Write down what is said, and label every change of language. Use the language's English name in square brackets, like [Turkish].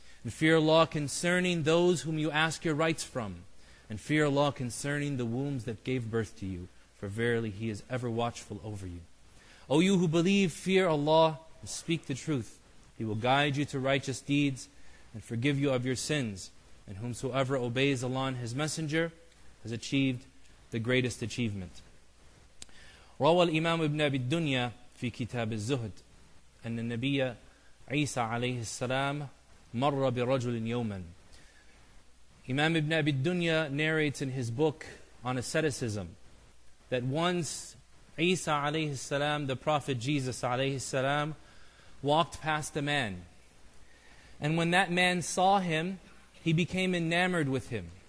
[English] And fear Allah concerning those whom you ask your rights from, and fear Allah concerning the wombs that gave birth to you, for verily He is ever watchful over you. O you who believe, fear Allah and speak the truth. He will guide you to righteous deeds and forgive you of your sins, and whomsoever obeys Allah and His Messenger has achieved the greatest achievement. [Arabic] رواه الإمام ابن أبي الدنيا في كتاب الزهد أن النبي عيسى عليه السلام مر برجل يوما. [English] Imam ibn Abi Dunya narrates in his book on asceticism that once Isa alayhi salam, the Prophet Jesus alayhi salam, walked past a man. And when that man saw him, he became enamored with him.